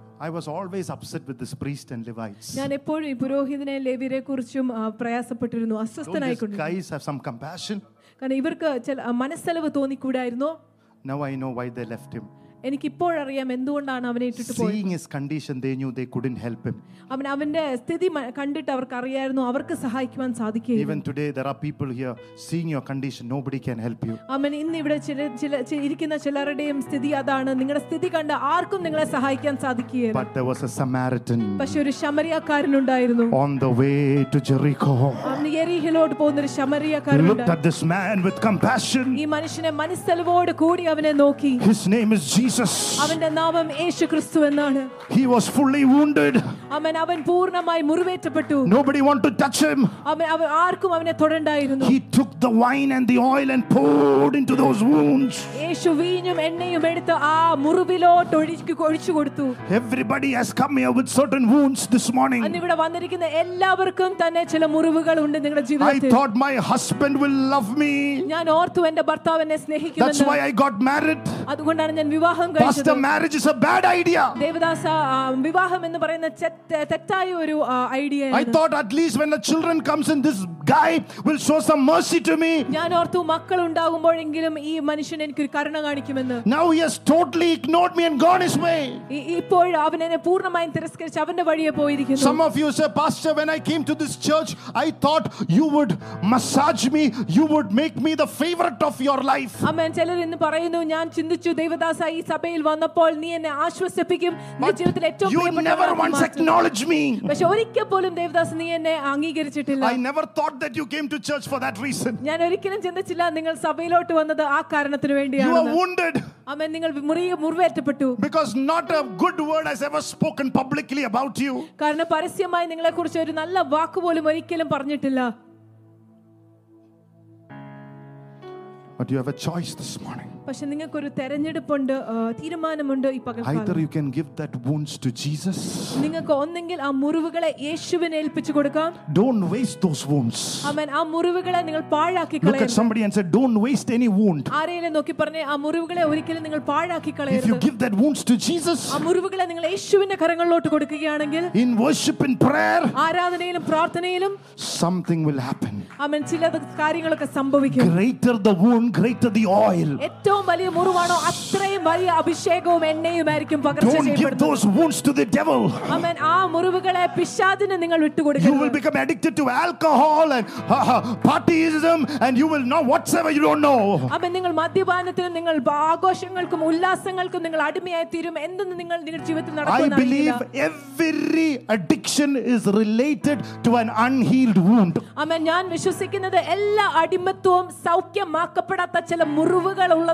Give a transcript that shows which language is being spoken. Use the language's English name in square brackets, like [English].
[English] I was always upset with this priest and Levites. [Malayalam] ഞാൻ എപ്പോഴും പുരോഹിതനെ ലേവിയരെ കുറിച്ചും പ്രയാസപ്പെട്ടിരുന്നു, അസ്വസ്ഥനായിക്കൊണ്ട്. [English] Don't these guys have some compassion? [Malayalam] കാരണം ഇവർക്ക് ചില മനസ്സലവ് തോന്നിക്കൂടായിരുന്നു. [English] Now I know why they left him. [Malayalam] എനിക്കിപ്പോഴറിയാം എന്തുകൊണ്ടാണ് അവനെ ഇട്ടിട്ട് പോയത്. [English] Seeing his condition, they knew they couldn't help him. [Malayalam] അവൻ അവന്റെ സ്ഥിതി കണ്ടിട്ട് അവർക്ക് അറിയായിരുന്നു അവർക്ക് സഹായിക്കുവാൻ സാധിക്കില്ല. [English] Even today there are people here seeing your condition, nobody can help you. [Malayalam] അവൻ ഇന്ന് ഇവിടെ ഇരിക്കുന്ന ചിലരുടെയും സ്ഥിതി അതാണ്, നിങ്ങളുടെ സ്ഥിതി കണ്ട് ആർക്കും നിങ്ങളെ സഹായിക്കാൻ സാധിക്കില്ല. [English] But there was a Samaritan. [Malayalam] പക്ഷേ ഒരു ശമരിയക്കാരൻ ഉണ്ടായിരുന്നു. [English] On the way to Jericho. [Malayalam] അവൻ യെരിഹിലോട്ട് പോകുന്ന ഒരു ശമരിയക്കാരൻ ഉണ്ട്. [English] Looked at this man with compassion. [Malayalam] ഈ മനുഷ്യനെ മനസ്സലവോട് കൂടി അവനെ നോക്കി. [English] His name is Jesus. [Malayalam] അവന്റെ നാമം യേശുക്രിസ്തു എന്നാണ്. [English] He was fully wounded. [Malayalam] അവൻ പൂർണ്ണമായി മുറിവേറ്റപ്പെട്ടു. [English] Nobody want to touch him. [Malayalam] അവൻ ആർക്കും അവനെ തൊടണ്ടായിരുന്നു. [English] He took the wine and the oil and poured into those wounds. [Malayalam] യേശു വീഞ്ഞും എണ്ണയും എടുത്ത് ആ മുറിവിലോട്ട് ഒഴിച്ചു കൊടുത്തു. [English] Everybody has come here with certain wounds this morning. [Malayalam] അന്ന് ഇവിടെ വന്നിരിക്കുന്ന എല്ലാവർക്കും തന്നെ ചില മുറിവുകൾ ഉണ്ട് നിങ്ങളുടെ ജീവിതത്തിൽ. [English] I thought my husband will love me. [Malayalam] ഞാൻ ഓർത്തു എന്റെ ഭർത്താവ് എന്നെ സ്നേഹിക്കുമെന്ന്. [English] That's why I got married. [Malayalam] അതുകൊണ്ടാണ് ഞാൻ വിവാഹം കഴിച്ചത് [English] pastor marriage is a bad idea [Malayalam] ദേവദാസ വിവാഹം എന്ന് പറയുന്ന തെറ്റായ ഒരു idea [English] I thought at least when the children comes in this guy will show some mercy to me [Malayalam] ഞാൻ ഓർത്തു മക്കൾ ഉണ്ടാകുമ്പോൾ എങ്കിലും ഈ മനുഷ്യൻ എനിക്ക് കരുണ കാണിക്കുമെന്ന് [English] now he has totally ignored me and gone his way [Malayalam] ഇപ്പോൾ അവൻ എന്നെ പൂർണ്ണമായും തിരസ്കരിച്ച് അവന്റെ വഴിയേ പോയിരിക്കുന്നു [English] some of you say pastor when I came to this church I thought you would massage me you would make me the favorite of your life [Malayalam] amen ചിലർ എന്ന് പറയുന്നു ഞാൻ ചിന്തിച്ചു ദൈവദാസ ഈ സഭയിൽ വന്നപ്പോൾ നീ എന്നെ ആശ്വസിപ്പിക്കും നിന്റെ ജീവിതത്തിൽ ഏറ്റവും പ്രിയപ്പെട്ട [English] you never once acknowledged me [Malayalam] പക്ഷേ ഒരിക്കൽ പോലും ദൈവദാസ നീ എന്നെ അംഗീകരിച്ചിട്ടില്ല [English] I never thought that you came to church for that reason [Malayalam] ഞാൻ ഒരിക്കലും ചിന്തിച്ചില്ല നിങ്ങൾ സഭയിലോട്ട് വന്നത് ആ കാരണത്തിനു വേണ്ടിയാണ് [English] you are wounded [Malayalam] amen നിങ്ങൾ മുറിവേറ്റപ്പെട്ടു [English] because not a good word has ever spoken publicly about you [Malayalam] കാരണം പരസ്യമായി നിങ്ങളെ കുറിച്ച് ഒരു നല്ല വാക്ക് പോലും ഒരിക്കലും പറഞ്ഞിട്ടില്ല [English] But you have a choice this morning. [Malayalam] പക്ഷേ നിങ്ങൾക്ക് ഒരു തിരഞ്ഞെടുപ്പുണ്ട് തീരുമാനമുണ്ട് ഈ പകൽ കാലം. [English] Either you can give that wounds to Jesus. [Malayalam] നിങ്ങൾക്ക് ഒന്നെങ്കിൽ ആ മുറിവുകളെ യേശുവിനെ ഏൽപ്പിച്ചു കൊടുക്കാം. [English] Don't waste those wounds. [Malayalam] ആമേൻ ആ മുറിവുകളെ നിങ്ങൾ പാഴാക്കി കളയരുത്. [English] Look at somebody and say don't waste any wound. [Malayalam] ആരെയെങ്കിലും നോക്കി പറഞ്ഞേ ആ മുറിവുകളെ ഒരിക്കലും നിങ്ങൾ പാഴാക്കി കളയരുത്. [English] If you give that wounds to Jesus. [Malayalam] ആ മുറിവുകളെ നിങ്ങൾ യേശുവിന്റെ കരങ്ങളിലോട്ട് കൊടുക്കുകയാണെങ്കിൽ [English] In worship and prayer. [Malayalam] ആരാധനയിലും പ്രാർത്ഥനയിലും [English] something will happen. [Malayalam] ആമേൻ ചില കാര്യങ്ങളൊക്കെ സംഭവിക്കും. [English] Greater the wound greater the oil. [Malayalam] വലിയ മുറിവാണോ അത്രയും വലിയ അഭിഷേകവും എണ്ണയും ആയിരിക്കും പകർച്ചചെയ്യപ്പെടുന്നത് ആ മുറിവുകളെ പിശാചിനെ നിങ്ങൾ വിട്ടുകൊടുക്കരുത് [English] you will become addicted to alcohol and partyism and you will know whatsoever you don't know [Malayalam] അമേൻ നിങ്ങൾ മദ്യപാനത്തിനും നിങ്ങൾ ആഘോഷങ്ങൾക്കും ഉല്ലാസങ്ങൾക്കും നിങ്ങൾ അടിമയായി തീരും എന്തെന്ന് നിങ്ങൾ നിങ്ങളുടെ ജീവിതത്തിൽ നടക്കുന്നതാണ് [English] I believe every addiction is related to an unhealed wound [Malayalam] അമേൻ ഞാൻ വിശ്വസിക്കുന്നത് എല്ലാ അടിമത്തവും സൗഖ്യമാക്കപ്പെടാത്ത ചില മുറിവുകൾ